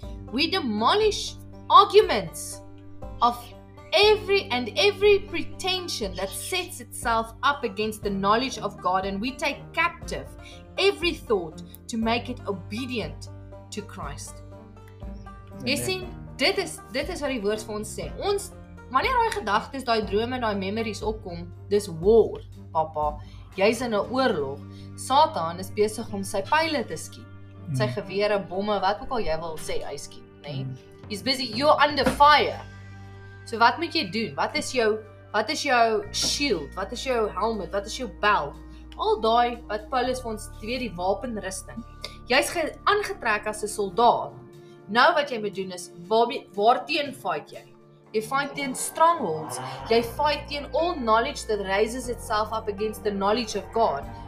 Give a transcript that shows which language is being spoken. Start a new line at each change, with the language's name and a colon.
English: We demolish arguments of every pretension that sets itself up against the knowledge of God, and we take captive every thought to make it obedient to Christ. Amen.
Afrikaans: Yes, dit is wat die woord vir ons sê. Ons wanneer daai gedagtes, daai drome en daai memories opkom, dis war, papa. Jy's in 'n oorlog. Satan is besig om sy pile te skiet. Sy gewere, bomme, wat ook al jy wil sê, hy skiet, né?
English: He's busy, you're under fire.
Afrikaans: So wat moet jy doen? Wat is jou shield? Wat is jou helmet? Wat is jou bel? Al daai wat Paulus vir ons weer die wapenrusting. Jy's aangetrek as 'n soldaat. Nou wat jy moet doen is waar teen fight jy? Jy fight teen strongholds. Jy fight teen
English: all knowledge that raises itself up against the knowledge of God.